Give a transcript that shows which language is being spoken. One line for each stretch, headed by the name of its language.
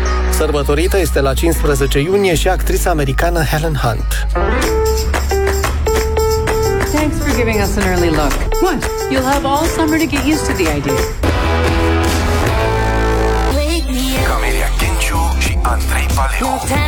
Romanian: Sărbătorită este la 15 iunie și actrița americană Helen Hunt.
English: Thanks for giving us an early look. What? You'll have all summer to get used to the idea.
Romanian: Camelia Kenciu și Andrei Paleo.